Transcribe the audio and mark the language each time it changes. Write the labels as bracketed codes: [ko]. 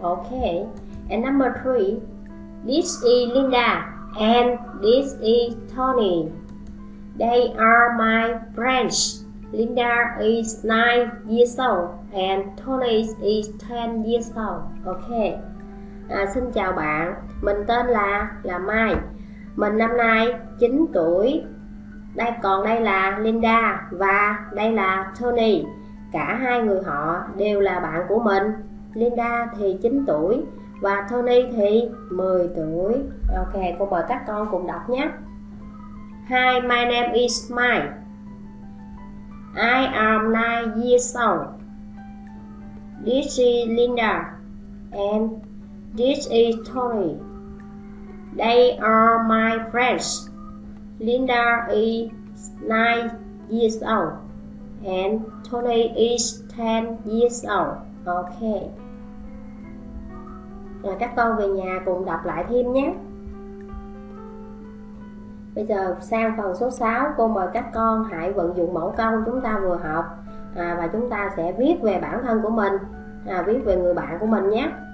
[en] Ok, and number 3. This is Linda and this is Tony. They are my friends. Linda is 9 years old and Tony is 10 years old. Ok. [vi] Xin chào bạn, mình tên là Mai. Mình năm nay 9 tuổi. Đây còn đây là Linda và đây là Tony. Cả hai người họ đều là bạn của mình. Linda thì 9 tuổi và Tony thì 10 tuổi. Ok, cô mời các con cùng đọc nhé. [en] Hi, my name is Mai. I am 9 years old. This is Linda and this is Tony. They are my friends. Linda is 9 years old and Tony is 10 years old. Ok. [vi] Rồi các con về nhà cùng đọc lại thêm nhé. Bây giờ sang phần số 6, cô mời các con hãy vận dụng mẫu câu chúng ta vừa học và chúng ta sẽ viết về bản thân của mình, viết về người bạn của mình nhé.